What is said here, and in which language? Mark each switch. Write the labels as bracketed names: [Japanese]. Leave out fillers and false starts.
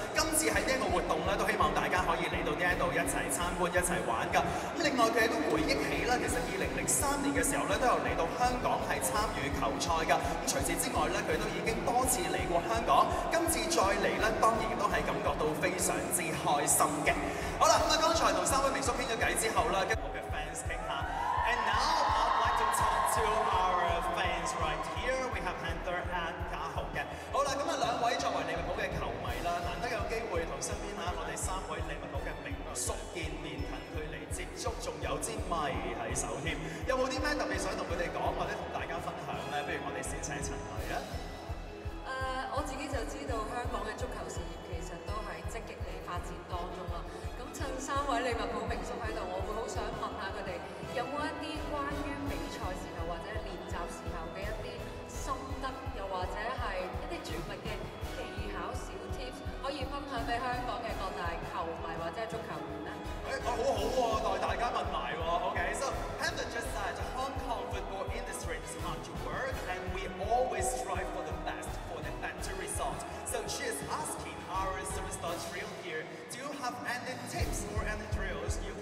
[Cantonese] 今次喺呢一个活动咧，都希望大家可以嚟到呢一度一齐参观、一齐玩噶。另外佢都回忆起啦，其实2003年嘅时候咧，都有嚟到香港系参与球赛噶。咁除此之外咧，佢都已经多次嚟过香港，今次再嚟咧，当然都系感觉到非常之開心嘅。好啦，咁啊，剛才同三位名宿傾咗偈之後啦，跟我嘅 fans 傾下。 [English] And now I'd like to talk to our fans right here. We have Hunter and [Cantonese] 嘉豪嘅。好啦，咁啊，兩位作為利物浦嘅球迷啦，難得有機會同身邊啊我哋三位利物浦嘅名宿見面，近距離接觸，仲有支麥喺手添。有冇啲咩特別想同佢哋講或者同大家分享咧？不如我哋先請陳雷啊。我自己就知道香港嘅足球事業其實都係積極地發展當中啦。咁趁三位利物浦名宿喺度，我會好想問下佢哋有冇一啲關於比賽時候或者練習時候嘅一啲心得，又或者係一啲著名嘅技巧小 tips 可以分享俾香港嘅各大球迷或者足球員咧？我好好喎，代大家問埋喎。 [English] OK， so Hendon just said the Hong Kong football industry is hard to work and we always strive for the best. Better result. So she is asking our superstar trio here, do you have any tips or any drills?